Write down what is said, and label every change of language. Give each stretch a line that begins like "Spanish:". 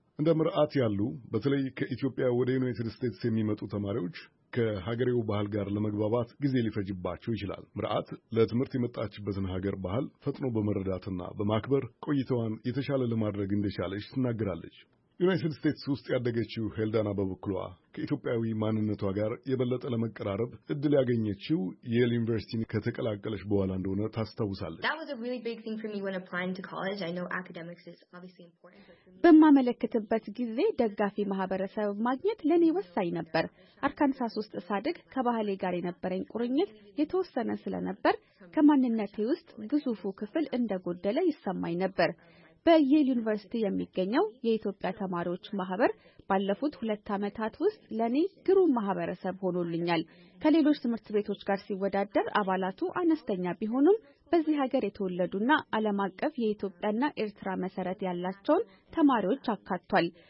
Amharic: እንደ ምርአት ያሉ በተለይ ከኢትዮጵያ ወደ ዩናይትድ ስቴትስ የሚመጡ ተማሪዎች ከሀገሬው ባህል ጋር ለመግባባት ጊዜ ሊፈጅባቸው ይችላል። ምርአት ለትምህርት የመጣችበትን ሀገር ባህል ፈጥኖ በመረዳትና በማክበር ቆይታዋን የተሻለ ለማድረግ እንደቻለች ትናገራለች። ዩናይትድ ስቴትስ ውስጥ ያደገችው ሄልዳና በበኩሏ ከኢትዮጵያዊ ማንነቷ ጋር የበለጠ ለመቀራረብ እድል ያገኘችው የል ዩኒቨርሲቲን ከተቀላቀለች በኋላ እንደሆነ ታስታውሳለች።
English: That was a really big thing for me when applying to college. I know academics is obviously important.
Amharic: በማመለከትበት ጊዜ ደጋፊ ማህበረሰብ ማግኘት ለኔ ወሳኝ ነበር። አርካንሳስ ውስጥ ሳድግ ከባህሌ ጋር የነበረኝ ቁርኝት የተወሰነ ስለነበር ከማንነቴ ውስጥ ግዙፉ ክፍል እንደጎደለ ይሰማኝ ነበር። በየል ዩኒቨርሲቲ የሚገኘው የኢትዮጵያ ተማሪዎች ማህበር ባለፉት 2 አመታት ውስጥ ለኔ ግሩም ማህበረሰብ ሆኖልኛል። ከሌሎች ትምህርት ቤቶች ጋር ሲወዳደር አባላቱ አነስተኛ ቢሆኑም በዚህ ሀገር የተወለዱና ዓለም አቀፍ የኢትዮጵያና ኤርትራ መሰረት ያላቸውን ተማሪዎች አካቷል።